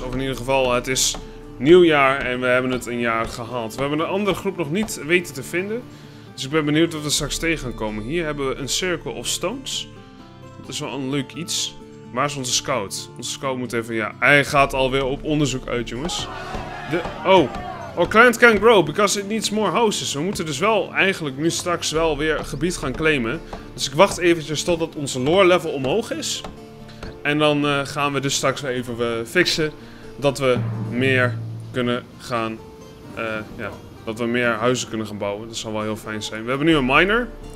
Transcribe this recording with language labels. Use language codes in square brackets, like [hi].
[nl] Of in ieder geval, het is nieuwjaar en we hebben het een jaar gehaald. We hebben een andere groep nog niet weten te vinden. Dus ik ben benieuwd wat we straks tegen gaan komen. Hier hebben we een circle of stones. Dat is wel een leuk iets. Waar is onze scout? Onze scout moet even... Ja, hij gaat alweer op onderzoek uit, jongens. [en] Our client can grow because it needs more houses. [nl] We moeten dus wel eigenlijk nu straks wel weer gebied gaan claimen. Dus ik wacht eventjes totdat onze lore level omhoog is. En dan gaan we dus straks even fixen dat we meer kunnen gaan... dat we meer huizen kunnen gaan bouwen. Dat zal wel heel fijn zijn. We hebben nu een miner.